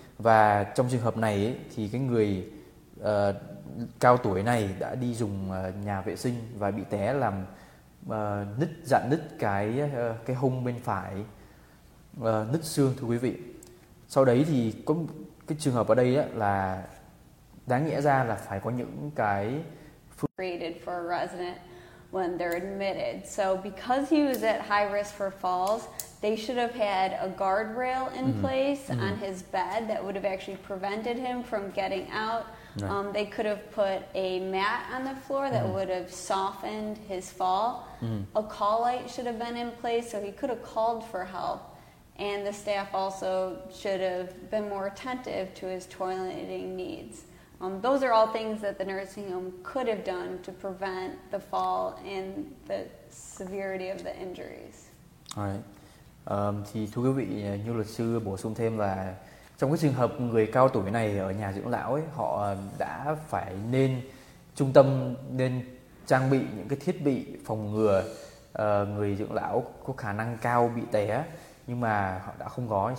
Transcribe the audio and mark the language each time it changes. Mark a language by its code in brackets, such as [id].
[vi] Và trong trường hợp này ấy, thì cái người cao tuổi này đã đi dùng nhà vệ sinh và bị té, làm nứt dạn nứt cái hông bên phải, nứt xương thưa quý vị. Sau đấy thì có cái trường hợp ở đây là đáng nghĩa ra là phải có những cái [en] created for a resident when they're admitted. So because he was at high risk for falls, they should have had a guardrail in place on his bed that would have actually prevented him from getting out. Right. They could have put a mat on the floor that would have softened his fall. A call light should have been in place so he could have called for help. And the staff also should have been more attentive to his toileting needs. Those are all things that the nursing home could have done to prevent the fall and the severity of the injuries. All right. [vi] Thì thưa quý vị, như luật sư bổ sung thêm là trong cái trường hợp người cao tuổi này ở nhà dưỡng lão ấy, họ đã phải nên trung tâm nên trang bị những cái thiết bị phòng ngừa người dưỡng lão có khả năng cao bị té, nhưng mà họ đã không có.